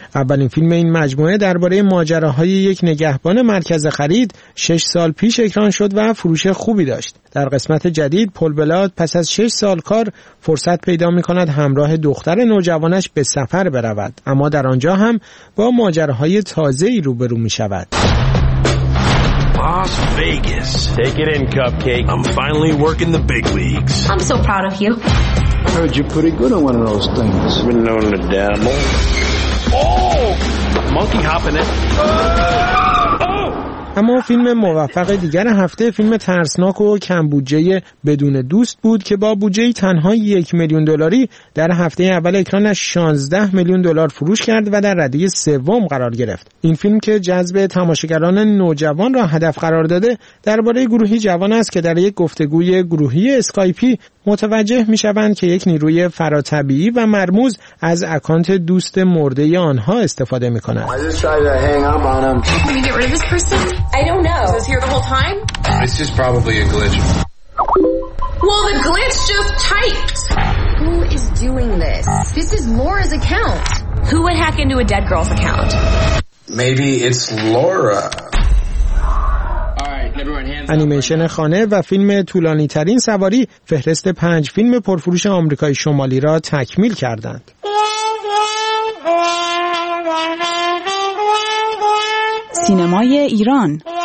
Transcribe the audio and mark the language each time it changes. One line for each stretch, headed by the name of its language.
Persian: اولین فیلم این مجموعه درباره ماجراهای یک نگهبان مرکز خرید 6 سال پیش اکران شد و فروش خوبی داشت. در قسمت جدید پل بلارت پس از 6 سال کار فرصت پیدا می‌کند همراه دختر نوجوانش به سفر برود، اما در آنجا هم با ماجراهای تازه‌ای روبرو می‌شود.
English: Las Vegas. Take it in, cupcake. I'm finally working the big leagues. I'm so proud of you. I heard you're pretty good at one of those things. Been known to dabble. Oh! Monkey hopping it.
Persian: اما فیلم موفق دیگر هفته فیلم ترسناک و کم بودجه بدون دوست بود که با بودجه تنها 1 میلیون دلاری در هفته اول اکرانش 16 میلیون دلار فروش کرد و در رده سوم قرار گرفت. این فیلم که جذب تماشاگران نوجوان را هدف قرار داده، درباره گروهی جوان است که در یک گفتگوی گروهی اسکایپی متوجه می‌شوند که یک نیروی فراطبیعی و مرموز از اکانت دوست مرده آنها استفاده می‌کند.
English: I don't know. Is this here the whole time? It's just probably a glitch. Well, the glitch just typed. Who is doing this? This is Laura's account. Who would hack into a dead girl's account? Maybe it's Laura.
Persian: انیمیشن خانه و فیلم طولانی ترین سواری فهرست 5 فیلم پرفروش آمریکای شمالی را تکمیل کردند. سینمای ایران.